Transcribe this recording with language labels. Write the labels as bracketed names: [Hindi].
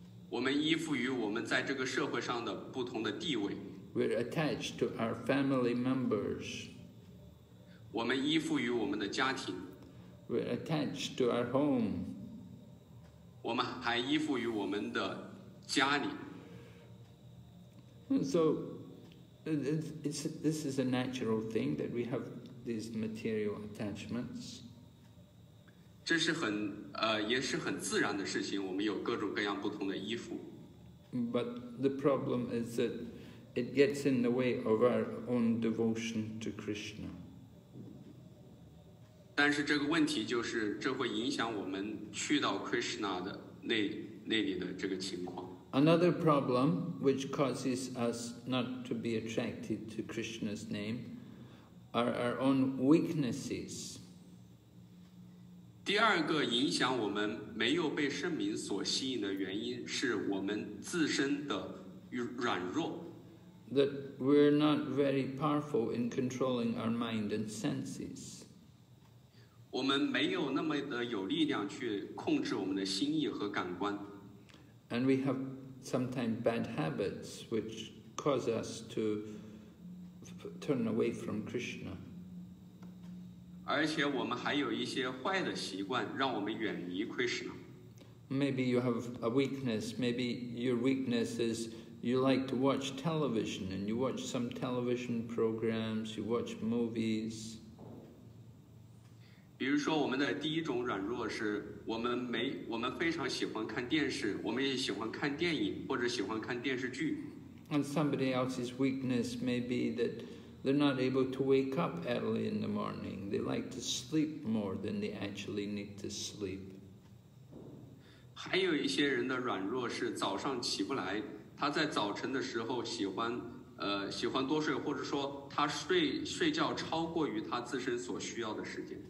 [Chinese] 我们依附于我们在这个社会上的不同的地位。 [English] We're attached to our family members. [Chinese] 我们依附于我们的家庭。 [English] We're attached to our home. [Chinese] 我们还依附于我们的家里。 [English] So, this is a natural thing that we have these material attachments. [Chinese] 这是很也是很自然的事情，我们有各种各样不同的依附。 [English] But the problem is that it gets in the way of our own devotion to Krishna. [Chinese] 但是这个问题就是，这会影响我们去到 Krishna 的那里的这个情况。 [English] Another problem which causes us not to be attracted to Krishna's name are our own weaknesses. [Chinese] 第二个影响我们没有被圣名所吸引的原因是我们自身的软弱。 [English] That we're not very powerful in controlling our mind and senses. [Chinese] 我们没有那么的有力量去控制我们的心意和感官。 [English] And we have sometimes bad habits which cause us to turn away from Krishna. [Chinese] 而且我们还有一些坏的习惯让我们远离 Krishna. [English] Maybe you have a weakness, maybe your weakness is you like to watch television and you watch some television programs, you watch movies. [Chinese] 比如说我们的第一种软弱是我们非常喜欢看电视，我们也喜欢看电影或者喜欢看电视剧。 [English] And somebody else's weakness may be that they're not able to wake up early in the morning. They like to sleep more than they actually need to sleep. [Chinese] 还有一些人的软弱是早上起不来，他在早晨的时候喜欢多睡，或者说他睡觉超过于他自身所需要的时间。